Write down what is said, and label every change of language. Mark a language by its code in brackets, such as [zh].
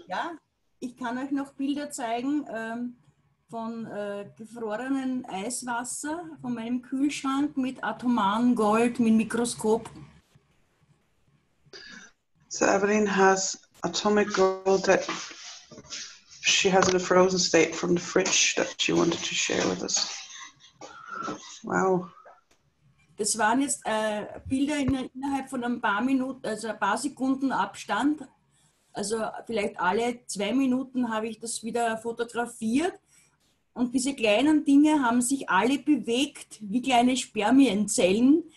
[de] Ja, ich kann euch noch Bilder zeigen von gefrorenen Eiswasser von meinem Kühlschrank mit atomaren Gold mit Mikroskop. [en] So, Evelyn has atomic gold that she has in a frozen state from the fridge that she wanted to share with us. Wow. [de] Das waren jetzt Bilder innerhalb von ein paar Minuten, also ein paar Sekunden Abstand. Also vielleicht alle zwei Minuten habe ich das wieder fotografiert. Und diese kleinen Dinge haben sich alle bewegt, wie kleine Spermienzellen.